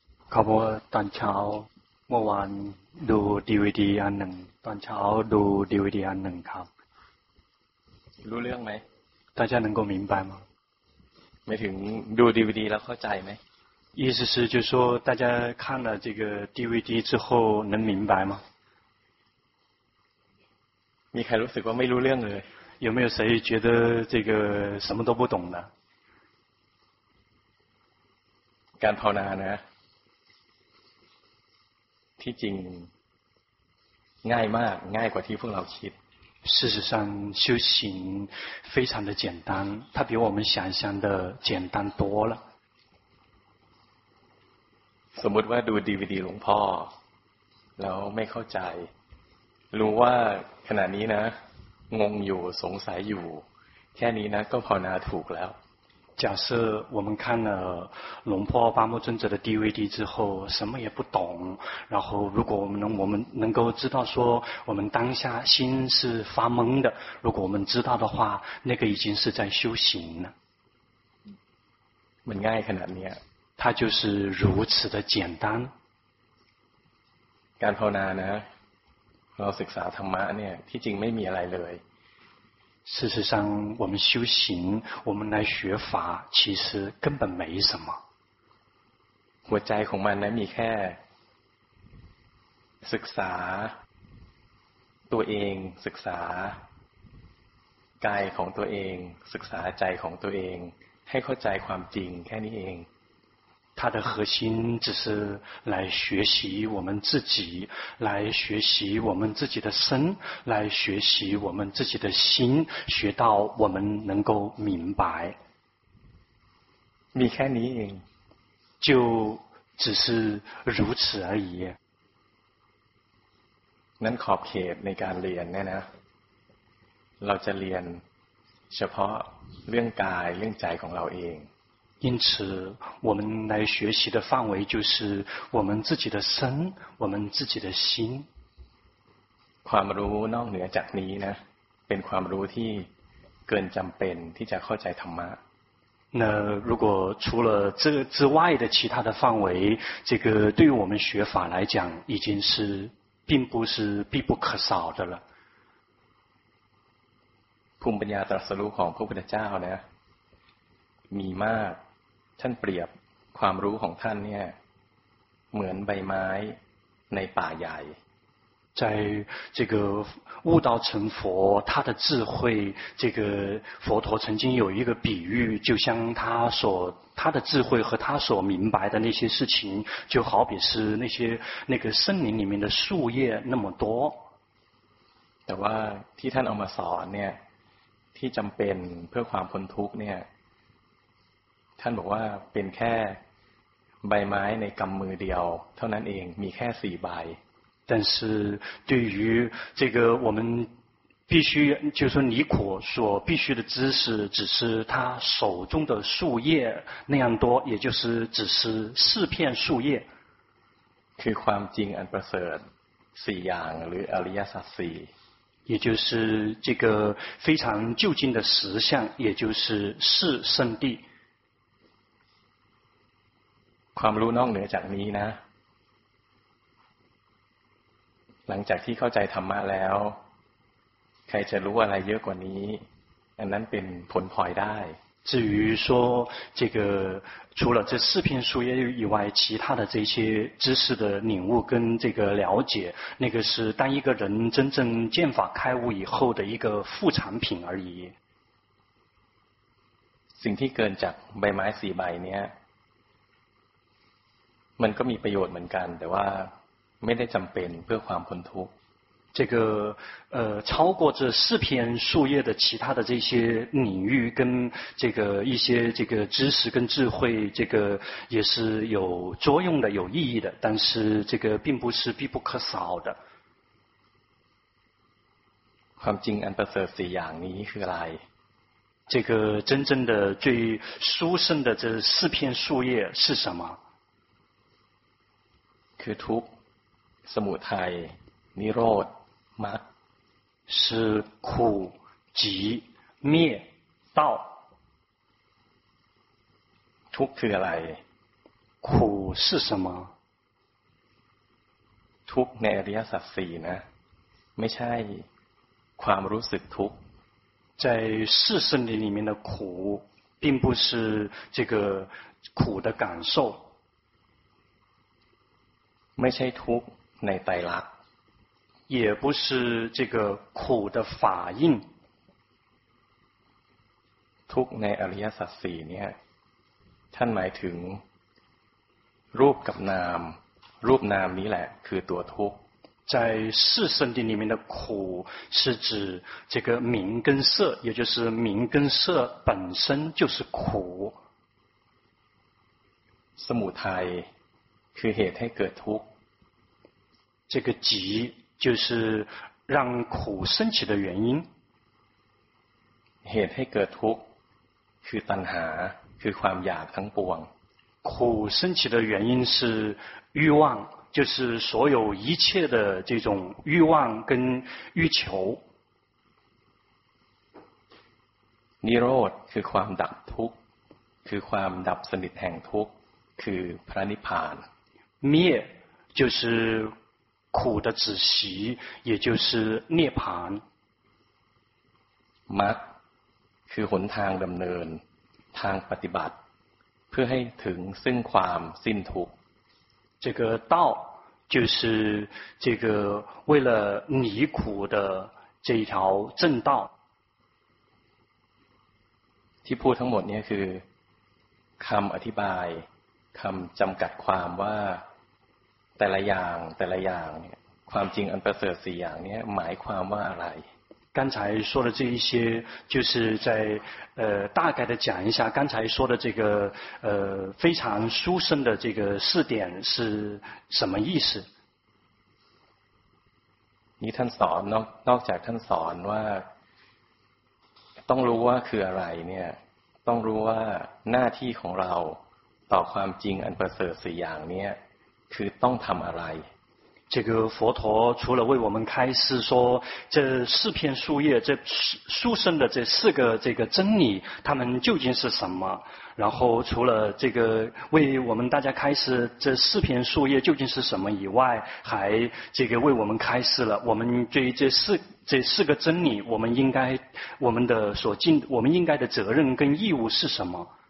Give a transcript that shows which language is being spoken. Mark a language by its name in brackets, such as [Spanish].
[Thai] เขาบอกว่าตอนเช้าเมื่อวานดูดีวีดีอันหนึ่งตอนเช้าดูดีวีดีอันหนึ่งครับ รู้เรื่องไหม ท่านอาจารย์ก็ [Chinese] 明白吗 [Thai] ไม่ถึงดูดีวีดีแล้วเข้าใจไหม [Chinese] 意思是就是说大家看了这个 DVD 之后能明白吗 [Thai] มีใครรู้สึกว่าไม่รู้เรื่องเลย [Chinese] 有没有谁觉得这个什么都不懂的 [Thai] การภาวนานะที่จริงง่ายมากง่ายกว่าที่พวกเราคิด [Chinese] 事实上修行非常的简单它比我们想象的简单多了 [Thai] สมมติว่าดู DVD หลวงพ่อแล้วไม่เข้าใจรู้ว่าขณะนี้นะงงอยู่สงสัยอยู่แค่นี้นะก็ภาวนาถูกแล้ว [Chinese] 假设我们看了龙婆巴木尊者的 DVD 之后什么也不懂然后如果我们能够知道说我们当下心是发懵的如果我们知道的话那个已经是在修行了很爱可能你它就是如此的简单 [Thai] การภาวนานะเราศึกษาธรรมะเนี่ยที่จริงไม่มีอะไรเลย [Chinese] 事实上我们修行我们来学法其实根本没什么 [Thai] หัวใจของมันนะมีแค่ศึกษาตัวเองศึกษากายของตัวเองศึกษาใจของตัวเองให้เข้าใจความจริงแค่นี้เอง [Chinese] 它的核心只是来学习我们自己来学习我们自己的身来学习我们自己的心学到我们能够明白 [Thai] มีแค่นี้เอง [Chinese] 就只是如此而已 [Thai] นั้นขอบเขตในการเรียนเนี่ยนะเราจะเรียนเฉพาะเรื่องกายเรื่องใจของเราเอง [Chinese] 因此我们来学习的范围就是我们自己的身我们自己的心 [Thai] ความรู้นอกเหนือจากนี้นะเป็นความรู้ที่เกินจําเป็นที่จะเข้าใจธรรมะ [Chinese] 那如果除了这之外的其他的范围这个对于我们学法来讲已经是并不是必不可少的了 [Thai] ภูมิปัญญาตรัสรู้ของพระพุทธเจ้านะมีมากท่านเปรียบความรู้ของท่านเนี่ยเหมือนใบไม้ในป่าใหญ่ [Chinese] 在这个悟道成佛他的智慧这个佛陀曾经有一个比喻就像他的智慧和他所明白的那些事情就好比是那个森林里面的树叶那么多 [Thai] แต่ว่าที่ท่านเอามาสอนเนี่ยที่จำเป็นเพื่อความพ้นทุกข์เนี่ยท่านบอกว่าเป็นแค่ใบไม้ในกำมือเดียวเท่านั้นเองมีแค่สี่ใบ [Chinese] 但是对于这个我们必须就是说尼果所必须的知识只是他手中的树叶那样多也就是只是四片树叶 [Thai] คือความจริงอันประเสริฐสี่อย่างหรืออริยสัจสี่ [Chinese] 也就是这个非常究竟的实相也就是四圣谛 [Thai] ความรู้นอกเหนือจากนี้นะหลังจากที่เข้าใจธรรมะแล้วใครจะรู้อะไรเยอะกว่านี้อันนั้นเป็นผลพลอยได้ [Chinese] 至于说这个除了这四片树叶以外其他的这些知识的领悟跟这个了解那个是当一个人真正见法开悟以后的一个副产品而已 [Thai] สิ่งที่เกินจากใบไม้สี่ใบเนี้ยมันก็มีประโยชน์เหมือนกันแต่ว่าไม่ได้จำเป็นเพื่อความพ้นทุกข์ [Chinese] 这个超过这四片树叶的其他的这些领域跟这个一些这个知识跟智慧这个也是有作用的有意义的但是这个并不是必不可少的 [Thai] ความจริงอันประเสริฐสี่อย่างนี้คืออะไร [Chinese] 这个真正的最殊胜的这四片树叶是什么 [Thai] คือทุกข์สมุทัยนิโรธมรรค [Chinese] 是苦集灭道 [Thai] ทุกข์คืออะไร [Chinese] 苦是什么 [Thai] ทุกข์ในอริยสัจ4นะไม่ใช่ความรู้สึกทุกข์ ใจ [Chinese] 4圣谛里面的苦并不是这个苦的感受 [Thai] ไม่ใช่ทุกข์ในไตรลักษณ์ [Chinese] 也不是这个苦的法印 [Thai] ทุกข์ในอริยสัจ4เนี่ยท่านหมายถึงรูปกับนามรูปนามนี้แหละคือตัวทุกข์ ใจ [Chinese] 四圣谛里面的苦是指这个名跟色也就是名跟色本身就是苦 [Thai] สมุทัยคือเหตุให้เกิดทุกข์ [Chinese] 这个集就是让苦升起的原因 [Thai] เหตุให้เกิดทุกข์คือตัณหาคือความอยากทั้งปวง [Chinese] 苦升起的原因是欲望就是所有一切的这种欲望跟欲求 [Thai] นิโรธคือความดับทุกข์คือความดับสนิทแห่งทุกข์คือพระนิพพาน [Chinese] 灭就是苦的止息也就是涅槃 [Thai] มรรคคือหนทางดำเนินทางปฏิบัติเพื่อให้ถึงซึ่งความสิ้นทุกข์ [Chinese] 这个道就是这个为了离苦的这一条正道 [Thai] ที่พูดทั้งหมดเนี่ยคือคำอธิบายคำจำกัดความว่าแต่ละอย่างแต่ละอย่างความจริงอันประเสริฐสี่อย่างเนี่ยหมายความว่าอะไร [Chinese] 刚才说的这一些就是在大概的讲一下刚才说的这个非常殊胜的这个四点是什么意思 [Thai] นี่ท่านสอนนอกจากท่านสอนว่าต้องรู้ว่าคืออะไรเนี่ยต้องรู้ว่าหน้าที่ของเราต่อความจริงอันประเสริฐสี่อย่างเนี่ยคือต้องทำอะไร [Chinese] 这个佛陀除了为我们开示说这四片树叶这殊胜的这四个这个真理它们究竟是什么然后除了这个为我们大家开示这四片树叶究竟是什么以外还这个为我们开示了我们对于这四个真理我们应该的责任跟义务是什么